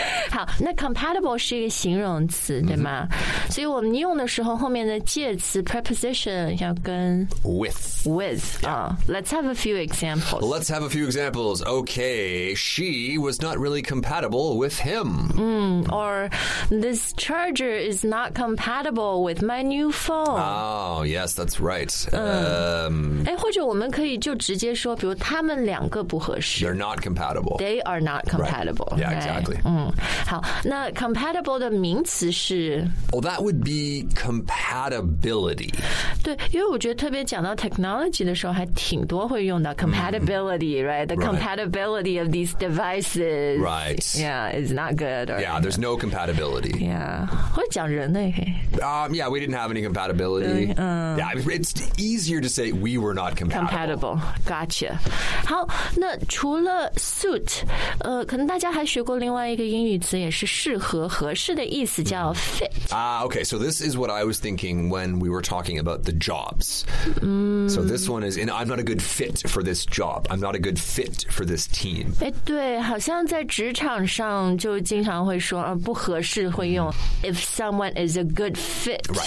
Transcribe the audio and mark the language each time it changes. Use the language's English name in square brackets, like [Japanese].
[Chinese] 好，那 compatible 是一个形容词、mm-hmm. 对吗？所以我们用的时候后面的介词 preposition 要跟 [English] with、 yeah. Let's have a few examples. Let's have a few examples. Okay, she was not really compatible with him. Or this charger is not compatible with my new phone. Oh, yes, that's right. [Chinese] 或者我们可以就直接说比如他们两个不合适。 [English] They're not compatible. They are not compatible. Right. Yeah, exactly. [Chinese] Right. 好，那 compatible 的名词是 [English] Well, that would be compatibility. [Chinese] 对，因为我觉得特别讲到 technology 的时候还挺多会用到 compatibility,、mm-hmm. right? [English] The compatibility of these devices. Right. Yeah, it's not good. Or, yeah, there's no compatibility. [Chinese] Yeah. 会讲人类 [English] Yeah, we didn't have any compatibility. Yeah, it's easier to say we were not compatible. Gotcha. [Chinese] 好，那除了 suit, 可能大家还学过另外一个英语词也是适合合适的意思叫 fit. [English] Okay, so this is what I was thinking when we were talking about the jobs. So this one is, I'm not a good fit for this job. I'm not a good fit for this team. [Chinese] 对，好像在职场上就经常会说不合适会用 [English] if someone is a good fit.